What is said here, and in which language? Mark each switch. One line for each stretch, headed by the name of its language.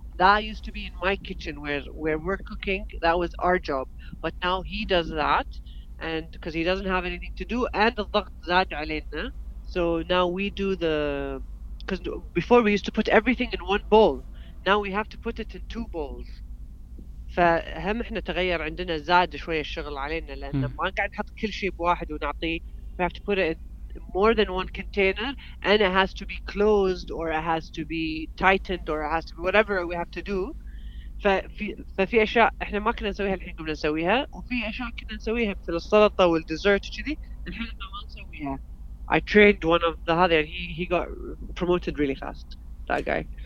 English: That used to be in my kitchen where we're cooking. That was our job. But now he does that, and because he doesn't have anything to do, and the dhaqt zad alayna. So now we do the, because before we used to put everything in one bowl. Now we have to put it in two bowls.
Arabic: فهم إحنا تغير عندنا زاد شوية الشغل علينا لأن ما قاعد نحط كل شيء بواحد ونعطي.
English: We have to put it in more than one container, and it has to be closed or it has to be tightened or it has to be whatever we have to do.
Arabic: ففي أشياء إحنا ما كنا نسويها الحين قبل نسويها, وفي أشياء كنا نسويها مثل السلطة والديزرت كذي الحين ما نسويها.
English: I trained one of the other, and he got promoted really fast, that guy.